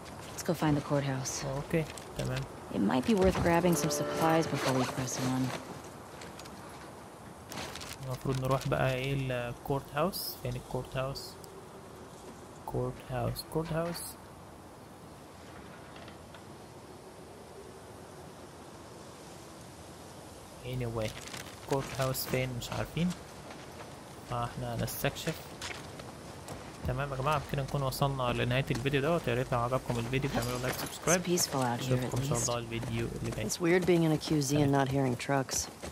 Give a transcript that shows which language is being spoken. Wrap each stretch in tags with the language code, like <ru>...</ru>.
<en>Let's go find the courthouse. Okay, tamam. It might be worth grabbing some supplies before we press on.</en> <ar>المفروض نروح بقى ايه الكورت هاوس. فين الكورت هاوس؟ كورت هاوس، كورت هاوس. Anyway كورت هاوس فين مش عارفين. فاحنا نستكشف. تمام يا جماعه، بكده نكون وصلنا لنهايه الفيديو ده. يا ريت لو عجبكم الفيديو تعملوا لايك سبسكرايب. نشوفكم ان شاء الله الفيديو اللي جاي.</ar> <en>It's weird being in a QZ and not hearing trucks.</en>